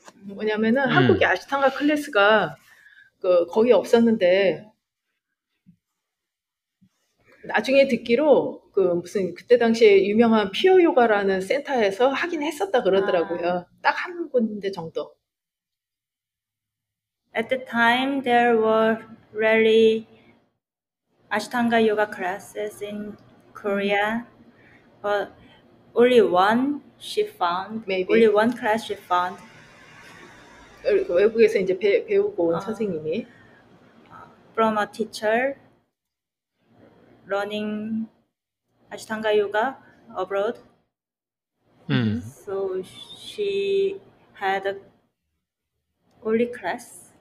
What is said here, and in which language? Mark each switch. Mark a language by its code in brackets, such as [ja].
[ko] 뭐냐면은 한국에 Ashtanga class가 그 거의 없었는데 나중에 듣기로 그 무슨 그때 당시에 유명한 피어 요가라는 센터에서 하긴 했었다 그러더라고요. 딱 한 군데 정도. [en] At the time, there were rarely Ashtanga yoga classes in Korea, but only one she found. Maybe only one class she found. [ko] 외국에서 이제 배우고 온 선생님이 [en] from a teacher learning Ashtanga yoga abroad. So she had a only class.